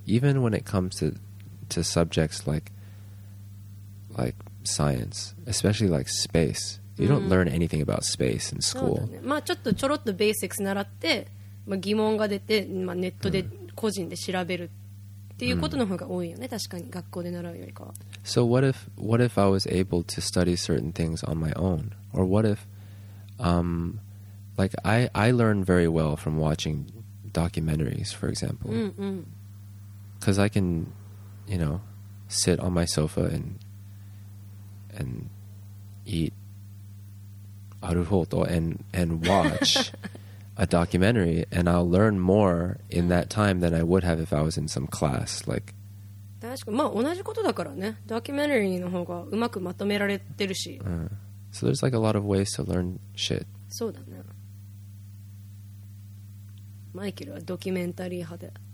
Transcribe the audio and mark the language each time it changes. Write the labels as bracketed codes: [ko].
[en] Even when it comes to subjects like science, especially like space, you don't learn anything about space in school. [ja] そうだね。まあちょっとちょろっとベーシックス習って、まあ疑問が出て、まあネットで個人で調べるっていうことの方が多いよね、確かに学校で習うよりかは。 [en] So what if I was able to study certain things on my own? Or what if, like I learn very well from watching documentaries, for example. Because I can, you know, sit on my sofa and eat arufoto and watch a documentary, and I'll learn more in that time than I would have if I was in some class, like. [ja] 確かまあ同じことだからね。ドキュメンタリーの方がうまくまとめられてるし。 [en] So there's like a lot of ways to learn shit. [ja] そうだね。マイケルはドキュメンタリー派で。